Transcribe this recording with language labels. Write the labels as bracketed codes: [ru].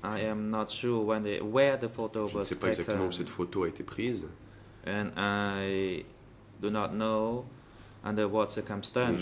[en] I am not sure when where the photo was taken. [fr] Je ne sais pas exactement où cette photo a été prise. [en] And I do not know under what circumstances.